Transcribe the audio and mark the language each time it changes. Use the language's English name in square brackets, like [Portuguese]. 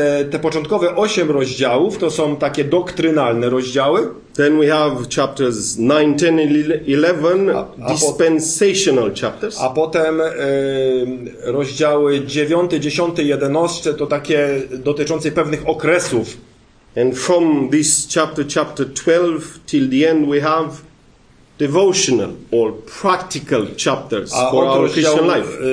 [Polish] Te początkowe 8 rozdziałów to są takie doktrynalne rozdziały. [English] Then we have chapters 9, 10, 11, dispensational chapters. [Polish] A potem rozdziały 9, 10, 11 to takie dotyczące pewnych okresów. [English] And from this chapter 12 till the end we have devotional or practical chapters for our Christian life.